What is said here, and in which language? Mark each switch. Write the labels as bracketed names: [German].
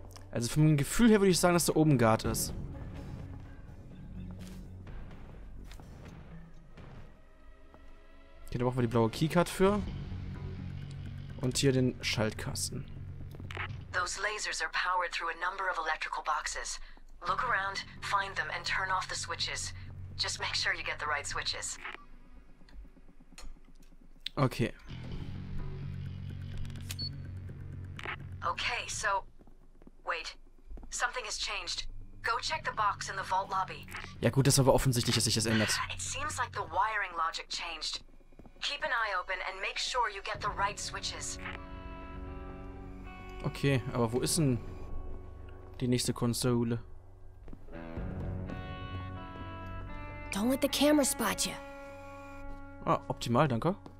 [German] Also vom Gefühl her würde ich sagen, dass da oben ein Guard ist. Okay, da brauchen wir die blaue Keycard für. Und hier den Schaltkasten. [English] Those lasers are powered through a number of electrical boxes. Look around, find them, and turn off the switches. Just make sure you get the right switches. Okay. Okay, so... Wait. Something has changed. Go check the box in the vault lobby. [German] Ja gut, das war aber offensichtlich, dass sich das ändert. [English] It seems like the wiring logic changed. Keep an eye open and make sure you get the right switches. [German] Okay, aber wo ist denn die nächste Konsole? [English] Don't let the camera spot you. [German] Ah, optimal, danke.